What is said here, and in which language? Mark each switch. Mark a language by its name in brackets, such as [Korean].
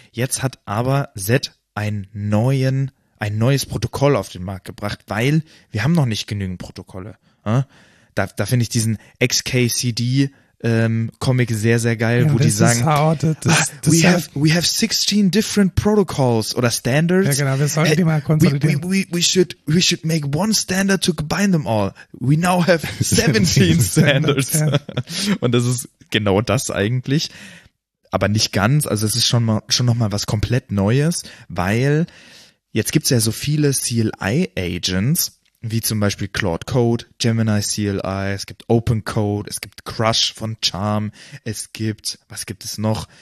[German] Jetzt hat aber Zed ein neues Protokoll auf den Markt gebracht, weil wir haben noch nicht genügend Protokolle. Da finde ich diesen XKCD Comic sehr, sehr geil, ja, wo die sagen, [English] we have 16 different protocols [German] oder standards. Ja, genau, wir sollten die mal konsolidieren. [English] We should make one standard to combine them all. We now have 17 standards. [German] Und das ist genau das eigentlich. Aber nicht ganz. Also es ist schon nochmal was komplett Neues, weil jetzt gibt's ja so viele CLI Agents, wie zum Beispiel Claude Code, Gemini CLI, es gibt Open Code, es gibt Crush von Charm, es gibt, was gibt es noch?